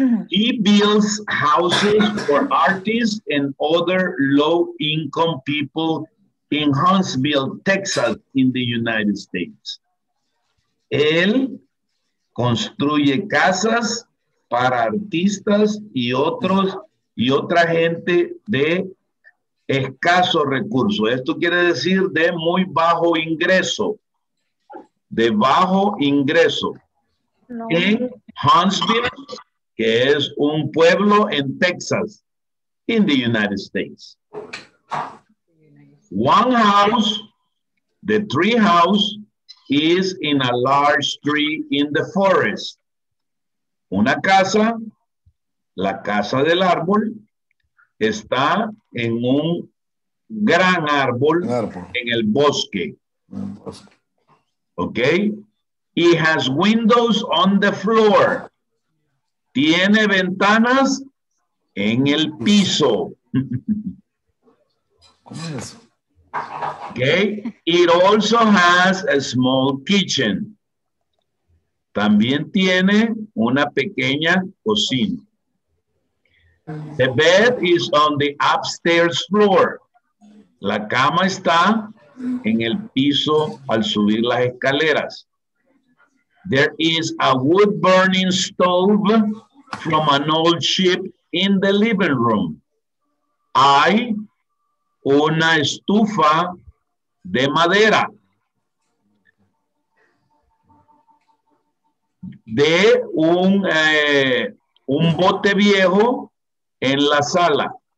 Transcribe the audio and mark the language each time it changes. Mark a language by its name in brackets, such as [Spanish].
[English] He builds houses for artists and other low-income people in Huntsville, Texas, in the United States. [Spanish] Él construye casas para artistas y otros y otra gente de escaso recurso. Esto quiere decir de muy bajo ingreso. De bajo ingreso. No. En Huntsville, que es un pueblo en Texas, [English] in the United States. One house, the tree house, is in a large tree in the forest. [Spanish] Una casa, la casa del árbol, está en un gran árbol, en el bosque. En el bosque. Ok. [English] He has windows on the floor. [Spanish] Tiene ventanas en el piso. ¿Cómo es eso? [English] Okay. It also has a small kitchen. [Spanish] También tiene una pequeña cocina. [English] The bed is on the upstairs floor. [Spanish] La cama está en el piso al subir las escaleras. [English] There is a wood-burning stove from an old ship in the living room. [Spanish] Hay una estufa de madera de un bote viejo en la sala.